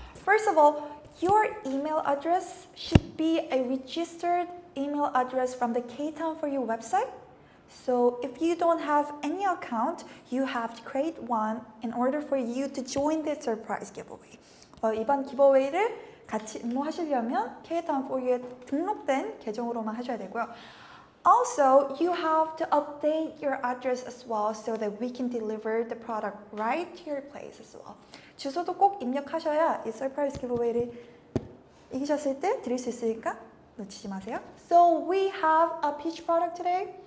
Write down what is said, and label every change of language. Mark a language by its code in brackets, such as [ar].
[en] First of all, your email address should be a registered email address from the Ktown4u website. So if you don't have any account, you have to create one in order for you to join the surprise giveaway. [ko] 이번 기브웨이를 같이 응모하시려면 Ktown4u에 등록된 계정으로만 하셔야 되고요. [en] Also, you have to update your address as well so that we can deliver the product right to your place as well. [ko] 주소도 꼭 입력하셔야 이 surprise giveaway를 이기셨을 때 드릴 수 있으니까 놓치지 마세요. [en] So we have a peach product today.